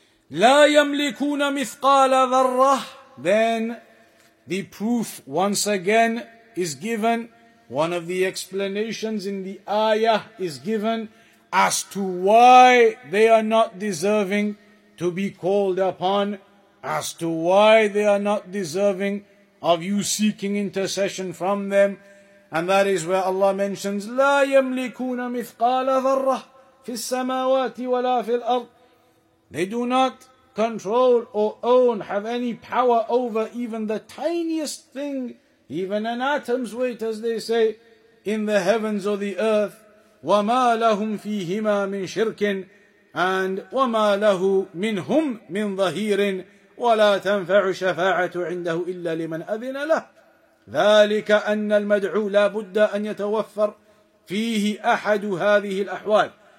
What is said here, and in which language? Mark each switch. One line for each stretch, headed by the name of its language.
Arabic: لا يملكون مثقال ذرة.
English: Then the proof once again is given. One of the explanations in the ayah is given as to why they are not deserving to be called upon, as to why they are not deserving of you seeking intercession from them. And that is where Allah mentions,
Arabic: لا يملكون مثقال ذرة في السماوات ولا في الأرض.
English: They do not control or own, have any power over even the tiniest thing, even an atom's weight, as they say, in the heavens or the earth.
Arabic: وَمَا لَهُمْ فِيهِمَا مِنْ شِرْكٍ and وَمَا لَهُ مِنْهُمْ مِنْ ظَهِيرٍ وَلَا تَنْفَعُ شَفَاعَةُ عِنْدَهُ إِلَّا لِمَنْ أَذِنَ لَهُ ذَلِكَ أَنَّ الْمَدْعُو لَا بُدَّ أَنْ يَتَوَفَّرْ فِيهِ أَحَدُ هَذِهِ الْأَحْوَالِ.